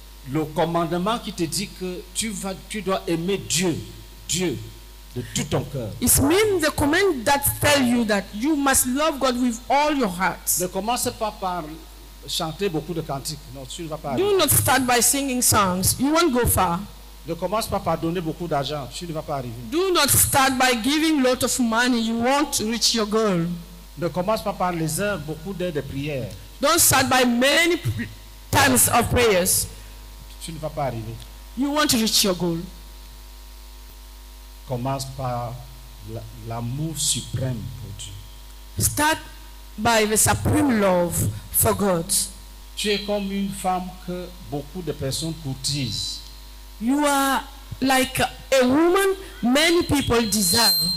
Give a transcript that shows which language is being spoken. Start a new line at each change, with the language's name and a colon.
French: Le commandement qui te dit que tu dois aimer Dieu, Dieu, de tout ton cœur.
English: It means the command that tells you that you must love God with all your heart.
French: Ne commence pas par chanter beaucoup de cantiques. Non, tu ne vas pas.
English: Do not start by singing songs. You won't go far.
French: Ne commence pas par donner beaucoup d'argent. Tu ne vas pas arriver.
English: Do not start by giving a lot of money. You won't reach your goal.
French: Ne commence pas par les heures, beaucoup d'heures de prière.
English: Don't start by many times of prayers.
French: Tu ne vas pas arriver.
English: You won't reach your goal.
French: Commence par l'amour suprême pour Dieu.
English: Start by the supreme love for God.
French: Tu es comme une femme que beaucoup de personnes courtisent.
English: You are like a woman many people desire.